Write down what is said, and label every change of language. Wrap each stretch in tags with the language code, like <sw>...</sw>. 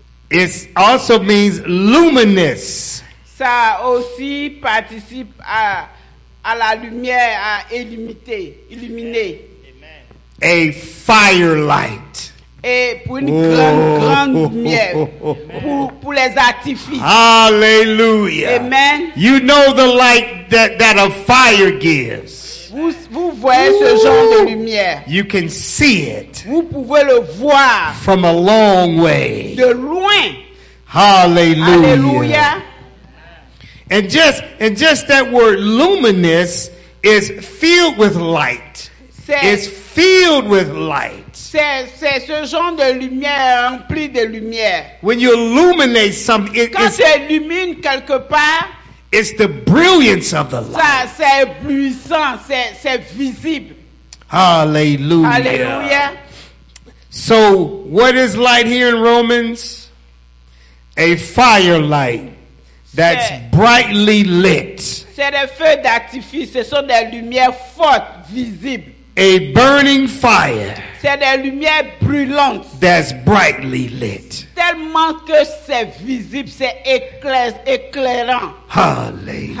<en>It also means luminous.</en> <fr>Ça aussi participe à la lumière, à illuminer.</fr> <en>Amen. A firelight.</en> <fr>Et pour une grande lumière, pour les artifices. Hallelujah. Amen.</fr> <en>You know the light that a fire gives.</en> <fr>Vous voyez ce genre de lumière.</fr> <en>You can see it.</en> <fr>Vous pouvez le voir.</fr> <en>From a long way.</en> <fr>De loin. Hallelujah. Hallelujah.</fr> <en>And just that word luminous is filled with light. It's filled with light.</en> <fr>C'est ce genre de lumière rempli de lumière.</fr> <en>When you illuminate something,</en> <fr>quand tu illumines quelque part,</fr> <en>it's the brilliance of the light.</en> <fr>Ça c'est éblouissant, c'est visible. Hallelujah. Hallelujah.</fr> <en>So what is light here in Romans? A firelight. that's brightly lit.</en> <fr>C'est des feux d'artifice. Ce sont des lumières fortes, visibles.</fr> <en>A burning fire.</en> <fr>C'est des lumières brûlantes.</fr> <en>That's brightly lit.</en> <fr>Tellement que c'est visible, c'est éclairant. Hallelujah.</fr>